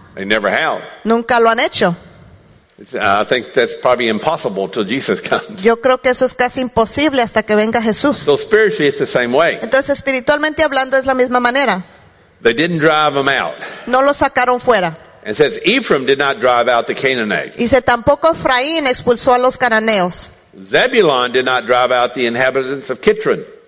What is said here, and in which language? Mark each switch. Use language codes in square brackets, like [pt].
[en] They never have. [es] Nunca lo han hecho. [en] I think that's probably impossible till Jesus comes. [es] Yo creo que eso es casi imposible hasta que venga Jesús. [en] So spiritually, it's the same way. [es] Entonces, espiritualmente hablando, es la misma manera. [en] They didn't drive them out. [es] No los sacaron fuera. [en] And says Ephraim did not drive out the Canaanites. [es] Y dice tampoco Efraín expulsó a los cananeos. [en] Zebulun did not drive out the inhabitants of Kitron.